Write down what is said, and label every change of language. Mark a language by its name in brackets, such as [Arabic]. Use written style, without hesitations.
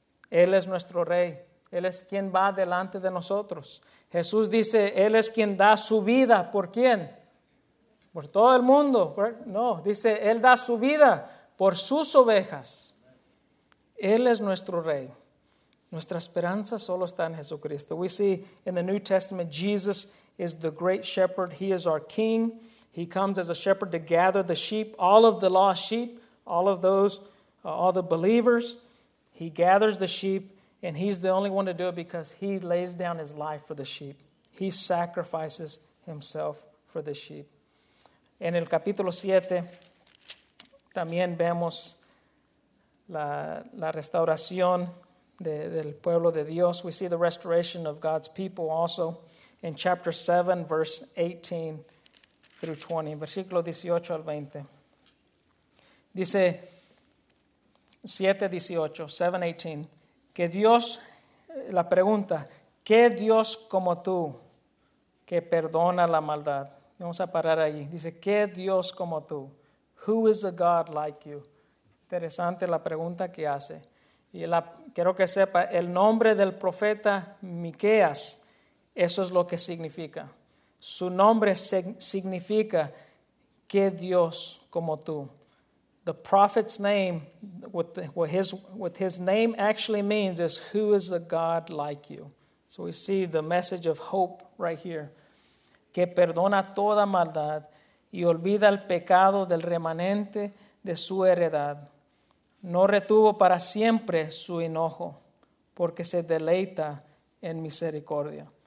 [Spanish] Él es nuestro rey. Él es quien va delante de nosotros. Jesús dice, él es quien da su vida. ¿Por quién? ¿Por todo el mundo? No, dice, él da su vida por sus ovejas. Él es nuestro rey. Nuestra esperanza solo está en Jesucristo. [English] We see in the New Testament, Jesus is the great shepherd. He is our king. He comes as a shepherd to gather the sheep, all of the lost sheep, all of those, all the believers. He gathers the sheep, and he's the only one to do it because he lays down his life for the sheep. He sacrifices himself for the sheep. [Spanish] En el capítulo 7, también vemos la restauración del pueblo de Dios. [English] We see the restoration of God's people also in chapter 7, verse 18 through 20. [Spanish] Versículo 18 al 20. Dice 7:18, 7:18. Que Dios, la pregunta, ¿qué Dios como tú que perdona la maldad? Vamos a parar ahí. Dice, ¿qué Dios como tú? [English] Who is a God like you? [Spanish] Interesante la pregunta que hace. Y quiero que sepa, el nombre del profeta Miqueas, eso es lo que significa. Su nombre significa, ¿qué Dios como tú? [English] The prophet's name, what his name actually means is, who is a God like you? So we see the message of hope right here. [Spanish] Que perdona toda maldad y olvida el pecado del remanente de su heredad. No retuvo para siempre su enojo, porque se deleita en misericordia.